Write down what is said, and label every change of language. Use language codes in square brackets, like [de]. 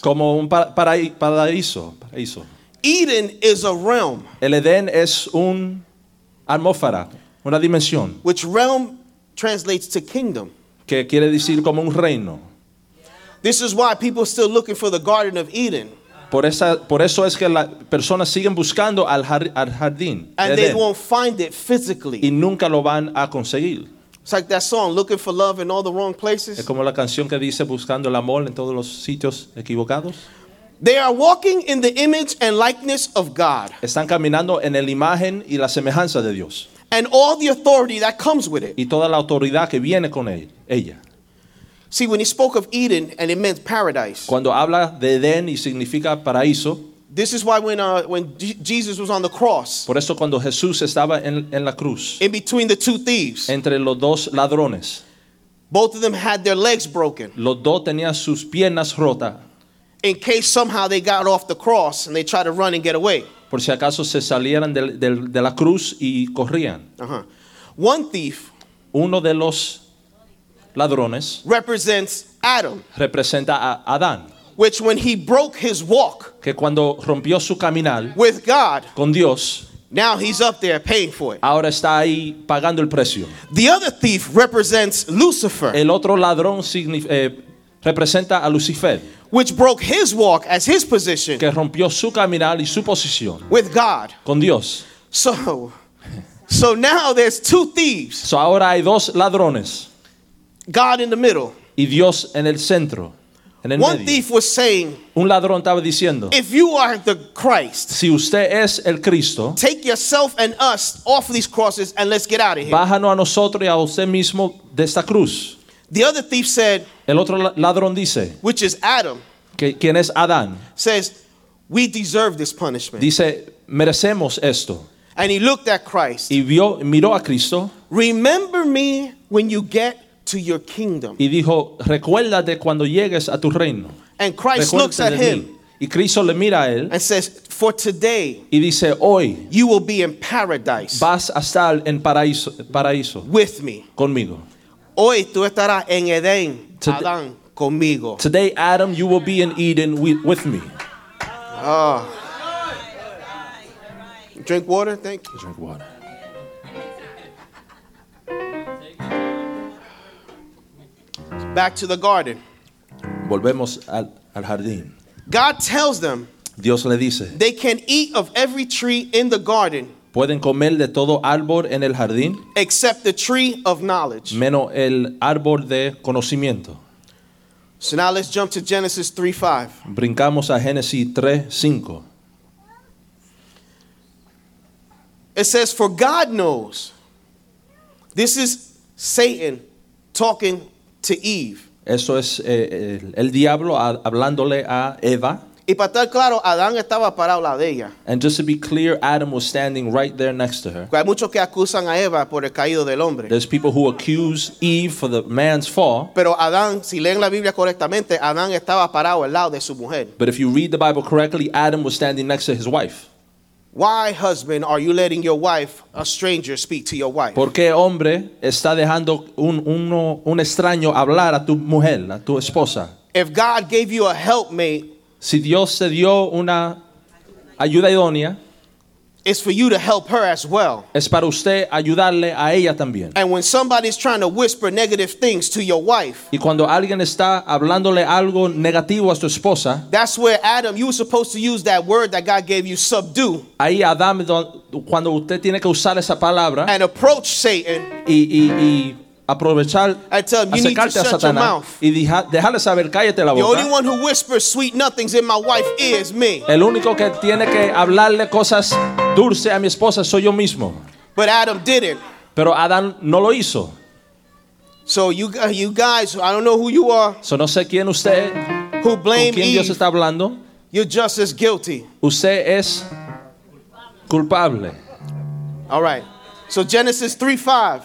[es] Como un paraíso. [en] Paraíso. Eden is a realm. [es] El Edén es un atmósfera, una dimensión. [en] Which realm translates to kingdom. [es] Que quiere decir como un reino. [en] This is why people are still looking for the Garden of Eden. [es] Por eso es que las personas siguen buscando al jardín. [en] And they won't find it physically. [es] Y nunca lo van a conseguir. [en] It's like that song, looking for love in all the wrong places. [es] Es como la canción que dice buscando el amor en todos los sitios equivocados. [en] They are walking in the image and likeness of God. [es] Están caminando en la imagen y la semejanza de Dios. [en] And all the authority that comes with it. [es] Y toda la autoridad que viene con ella. [en] See, when he spoke of Eden and it meant paradise. [es] Cuando habla de Edén y significa paraíso. [en] This is why when Jesus was on the cross. [es] Por eso cuando Jesús estaba en la cruz. [en] In between the two thieves. [es] Entre los dos ladrones. [en] Both of them had their legs broken. [es] Los dos tenían sus piernas rotas. [en] In case somehow they got off the cross and they tried to run and get away. [es] Por si acaso se salieran de la cruz y corrían. [en] Uh-huh. One thief. [es] Uno de los ladrones. [en] Represents Adam. [es] Representa a Adán. [en] Which when he broke his walk. [es] Que cuando rompió su caminar. [en] With God. [es] Con Dios. [en] Now he's up there paying for it. [es] Ahora está ahí pagando el precio. [en] The other thief represents Lucifer. [es] El otro ladrón representa a Lucifer. [en] Which broke his walk as his position. [es] Que rompió su caminar y su posición. [en] With God. [es] Con Dios. [en] So now there's two thieves. [es] So ahora hay dos ladrones. [en] God in the middle. [es] Y Dios en el centro. En el [en] One [es] medio. [en] Thief was saying. [es] Un ladrón estaba diciendo. [en] If you are the Christ. [es] Si usted es el Cristo. [en] Take yourself and us off these crosses and let's get out of here. [es] Bájanos a nosotros y a usted mismo de esta cruz. [en] The other thief said, [es] el otro ladrón dice, [en] which is Adam, [es] quien es Adán, [en] says, we deserve this punishment. [es] Dice, merecemos esto. [en] And he looked at Christ. [es] Y vio, miró a Cristo. [en] Remember me when you get to your kingdom. [es] Y dijo, recuérdate cuando llegues a tu reino. [en] And Christ looks at him. [es] Y Cristo le mira a él. [en] And says, for today, [es] y dice, hoy, [en] you will be in paradise. [es] Vas a estar en paraíso. [en] With me. [es] Conmigo. Hoy tú estarás en Edén, Adán, conmigo. [en] Today, Adam, you will be in Eden with me. Drink water, thank you. Drink water. Back to the garden. [es] Volvemos al jardín. [en] God tells them. [es] Dios le dice. [en] They can eat of every tree in the garden. [es] Pueden comer de todo árbol en el jardín. [en] Except the tree of knowledge. [es] Menos el árbol de conocimiento. [en] So now let's jump to Genesis 3:5. [es] Brincamos a Génesis 3:5. [en] It says, for God knows. This is Satan talking to Eve. [es] Eso es el diablo hablándole a Eva. Y para estar claro, Adán estaba parado al lado de ella. [en] And just to be clear, Adam was standing right there next to her. [es] Hay muchos que acusan a Eva por el caído del hombre. [en] There's people who accuse Eve for the man's fall. [es] Pero Adán, si leen la Biblia correctamente, Adán estaba parado al lado de su mujer. [en] But if you read the Bible correctly, Adam was standing next to his wife. Why, husband, are you letting your wife, a stranger, speak to your wife? [es] ¿Por qué hombre está dejando un extraño hablar a tu mujer, a tu esposa? [en] If God gave you a helpmate. [es] Si Dios te dio una ayuda idónea, [en] it's for you to help her as well. [es] Es para usted ayudarle a ella también. [en] And when somebody's trying to whisper negative things to your wife, [es] y cuando alguien está hablándole algo negativo a su esposa, [en] that's where Adam, you were supposed to use that word that God gave you, subdue. [es] Ahí Adam, cuando usted tiene que usar esa palabra, [en] and approach Satan. [es] Y aprovechar, [en] I tell him, you need to shut your mouth. [es] Y dejarle saber, cállate la boca. [en] The only one who whispers sweet nothings in my wife is me. [es] El único que tiene que hablarle cosas dulces a mi esposa soy yo mismo. [en] But Adam didn't. [es] Pero Adán no lo hizo. [en] So you guys, I don't know who you are. [es] So no sé quién usted. [en] Who blame [es] con quién Dios [en] Eve, [es] está hablando. [en] You're just as guilty. [es] Usted es culpable. [en] All right. So Genesis 3:5.